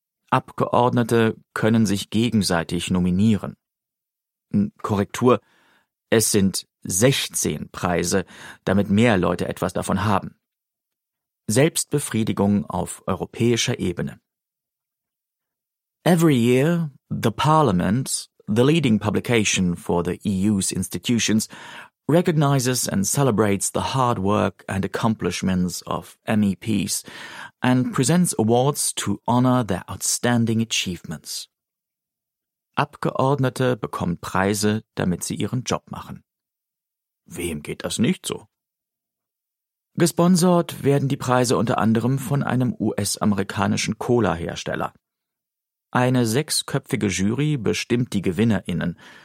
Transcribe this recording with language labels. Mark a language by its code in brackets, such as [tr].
[de] Abgeordnete können sich gegenseitig nominieren. Korrektur, es sind 16 Preise, damit mehr Leute etwas davon haben. Selbstbefriedigung auf europäischer Ebene. [en] Every year, the Parliament, the leading publication for the EU's institutions, recognizes and celebrates the hard work and accomplishments of MEPs and presents awards to honor their outstanding achievements. [de] Abgeordnete bekommen Preise, damit sie ihren Job machen. Wem geht das nicht so? Gesponsert werden die Preise unter anderem von einem US-amerikanischen Cola-Hersteller. Eine 6-köpfige Jury bestimmt die GewinnerInnen.